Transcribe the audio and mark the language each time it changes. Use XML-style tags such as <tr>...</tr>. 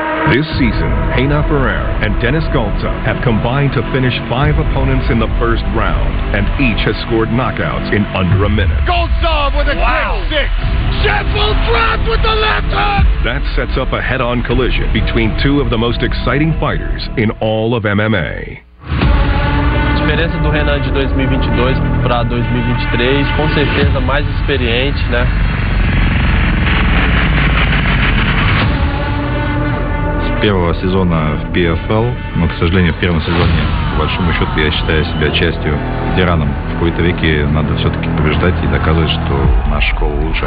<en>This season, Reina Ferrer and Dennis Galta have combined to finish 5 opponents in the first round, and each has scored knockouts in under a minute. Galta with a quick 6. Sheffield dropped with the left hook! That sets up a head-on collision between two of the most exciting fighters in all of MMA.</en> <pt>A diferença do Renan de 2022 para 2023, com certeza mais experiente, né?</pt> <ru>Первого сезона в PFL, но, к сожалению, в первом сезоне, по большому счету, я считаю себя частью ветераном. В какой-то веке надо все-таки побеждать и доказывать, что наша школа лучше.</ru>